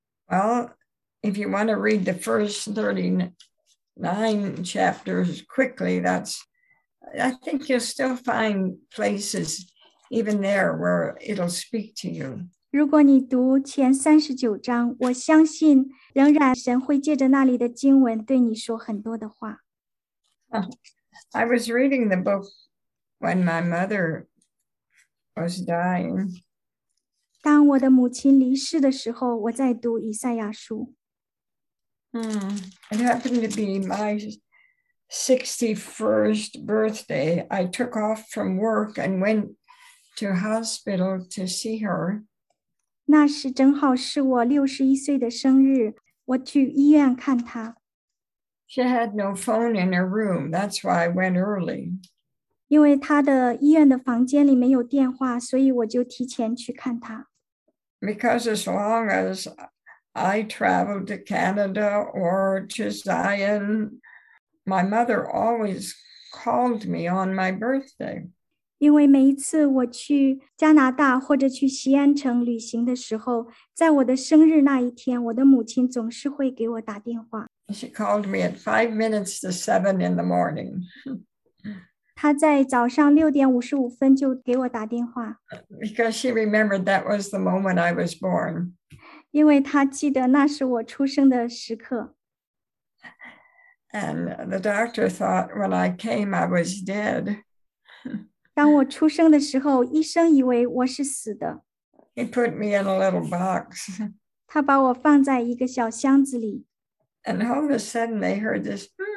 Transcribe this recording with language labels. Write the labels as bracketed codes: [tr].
[en] Well, if you want to read the first 39 chapters quickly, I think you'll still find places even there where it'll speak to you. [zh] 如果你读前39章，我相信仍然神会借着那里的经文对你说很多的话。 [en] I was reading the book when my mother was dying. [zh] 当我的母亲离世的时候，我在读以赛亚书。 [en] It happened to be my 61st birthday. I took off from work and went to hospital to see her. [zh] 那是正好是我61岁的生日，我去医院看她。 [en] She had no phone in her room, that's why I went early. [zh] 因为他的医院的房间里没有电话，所以我就提前去看他。 [en] Because as long as I travel to Canada or to Zion, my mother always called me on my birthday. [zh] 因为每一次我去加拿大或者去西安城旅行的时候，在我的生日那一天，我的母亲总是会给我打电话。 [en] She called me at 5 minutes to 7 in the morning. [zh] 她在早上6:55就给我打电话。 [en] Because she remembered that was the moment I was born. [zh] 因为她记得那是我出生的时刻。 [en] And the doctor thought when I came I was dead. [zh] 当我出生的时候，医生以为我是死的。 [en] He put me in a little box. [zh] 他把我放在一个小箱子里。 [en] And all of a sudden they heard this.